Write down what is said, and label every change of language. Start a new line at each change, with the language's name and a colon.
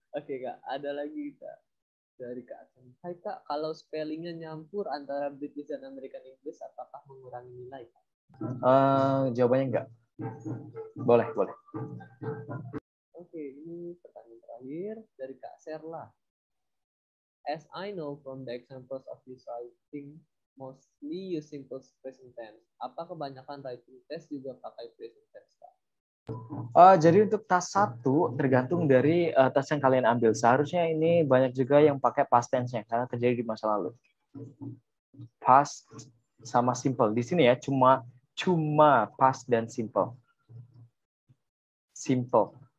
Indonesian: Oke, okay, Kak. Ada lagi, Kak. Dari Kak Asen. Hai, Kak. Kalau spellingnya nyampur antara British dan American English, apakah mengurangi nilai? Jawabannya enggak. Boleh, boleh. Oke, ini pertanyaan terakhir dari Kak Serla.
English: As I know from the examples of this writing, mostly use simple present tense.
Indonesian: Apa kebanyakan writing test juga pakai present tense, Kak? Jadi untuk task 1, tergantung dari task yang kalian ambil. Seharusnya ini banyak juga yang pakai past tense-nya, karena terjadi di masa lalu. Past sama simple. Di sini ya, cuma past dan simple. Simple.